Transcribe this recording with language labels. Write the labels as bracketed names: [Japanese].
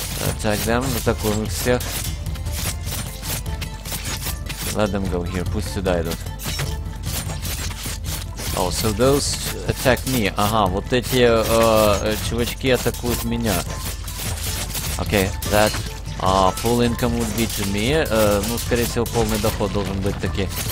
[English] Attack them, [Russian] атакуем их всех. [English] Let them go here, [Russian] пусть сюда идут. [English] Oh, so those attack me. [Russian] Ага, вот эти чувачки атакуют меня. [English] Okay, that full income would be to me. [Russian] Ну, скорее всего, полный доход должен быть таки.